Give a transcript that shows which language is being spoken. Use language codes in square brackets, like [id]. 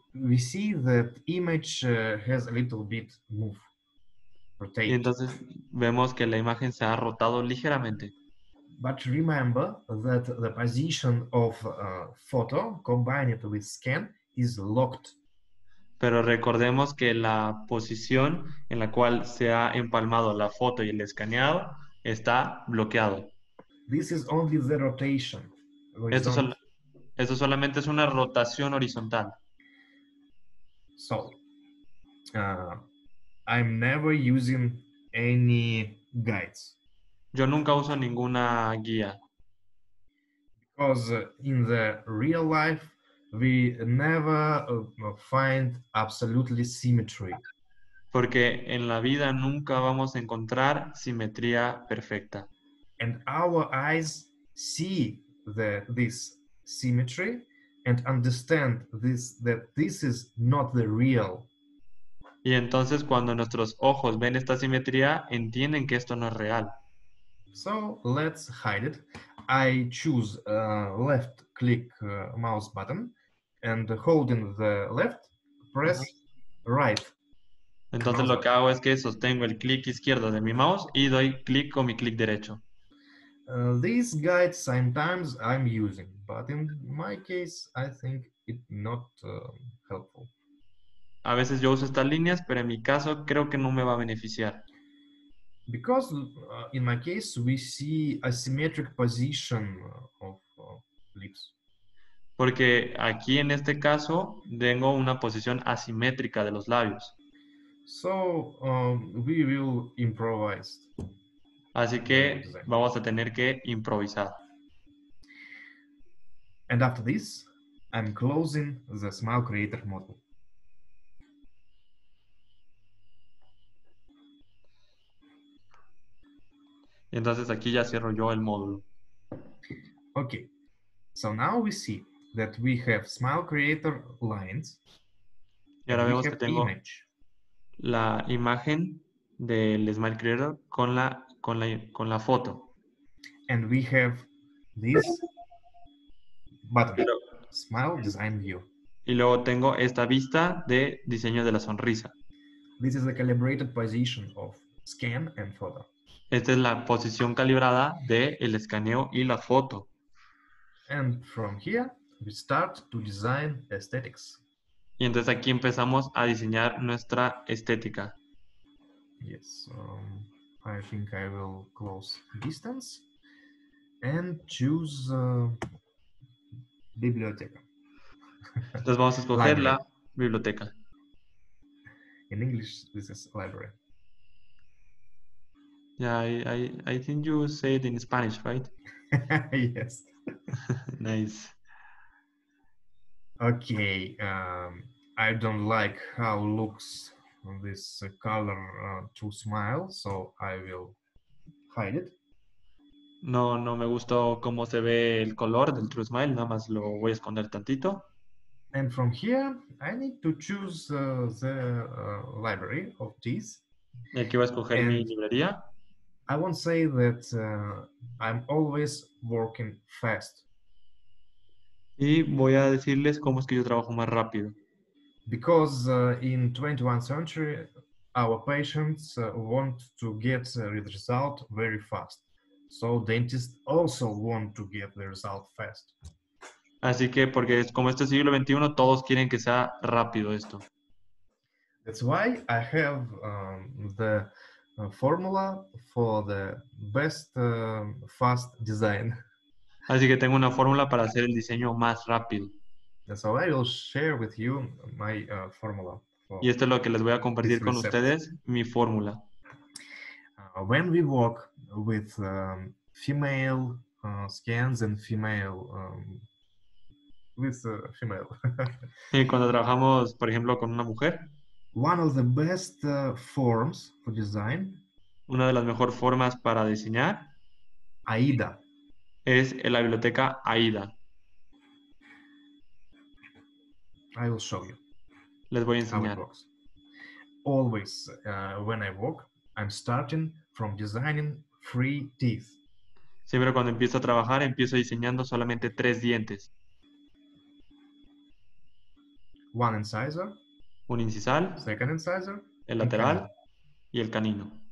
[en] We see that image has a little bit move. Rotate. [es] Y entonces vemos que la imagen se ha rotado ligeramente. [en] But remember that the position of photo combined with scan is locked. [es] Pero recordemos que la posición en la cual se ha empalmado la foto y el escaneado está bloqueado. [en] This is only the rotation. [es] Esto solamente es una rotación horizontal. [en] So, I'm never using any guides. [es] Yo nunca uso ninguna guía. [en] Because in the real life, we never find absolutely symmetry. [es] Porque en la vida nunca vamos a encontrar simetría perfecta. [en] And our eyes see this symmetry and understand that this is not the real. [es] Y entonces cuando nuestros ojos ven esta simetría, entienden que esto no es real. [en] So, let's hide it. I choose left click mouse button and holding the left, press right. [es] Entonces lo que hago es que sostengo el clic izquierdo de mi mouse y doy clic con mi clic derecho. [en] These guides sometimes I'm using, but in my case, I think it's not helpful. [es] A veces yo uso estas líneas, pero en mi caso creo que no me va a beneficiar. [en] Because in my case, we see asymmetric position of lips. [es] Porque aquí en este caso tengo una posición asimétrica de los labios. [en] So we will improvise. [es] Así que vamos a tener que improvisar. [en] And after this, I'm closing the Smile Creator module. [es] Entonces aquí ya cierro yo el módulo. [en] Okay. So now we see that we have Smile Creator lines. [es] Y ahora vemos que tengo image. La imagen del Smile Creator con la foto. [en] And we have this button, Smile Design View. [es] Y luego tengo esta vista de diseño de la sonrisa. [en] This is the calibrated position of scan and photo. [es] Esta es la posición calibrada del escaneo y la foto. [en] And from here, we start to design aesthetics. [es] Y entonces aquí empezamos a diseñar nuestra estética. [en] Yes, I think I will close distance and choose biblioteca. [es] Entonces vamos a escoger la Biblioteca. [en] In English, this is library. Yeah, I think you say it in Spanish, right? Yes. Nice. Okay. I don't like how looks this color to smile, so I will hide it. [es] No me gustó cómo se ve el color del True Smile, nada más lo voy a esconder tantito. [en] And from here, I need to choose the library of these. [es] Y aquí voy a escoger mi librería. [en] I won't say that I'm always working fast. Y voy a decirles cómo es que yo trabajo más rápido. Because in 21st century, our patients want to get the result very fast. So dentists also want to get the result fast. [es] Así que porque es como este siglo 21, todos quieren que sea rápido esto. [en] That's why I have the formula for the best fast design. [es] Así que tengo una fórmula para hacer el diseño más rápido. [en] And so I will share with you my formula. [es] For y esto es lo que les voy a compartir con ustedes, mi fórmula. [en] When we work with female scans and female with a female. [es] Y cuando trabajamos, por ejemplo, con una mujer. [en] One of the best forms for design. [es] Una de las mejores formas para diseñar. [en] AIDA. [es] Es en la biblioteca AIDA. [en] I will show you. [es] Les voy a enseñar. [en] Always, when I work, I'm starting from designing three teeth. [es] Siempre cuando empiezo a trabajar, empiezo diseñando solamente tres dientes. [en] One incisor. [es] Un incisal. [en] Second incisor. [es] El lateral. Y el canino.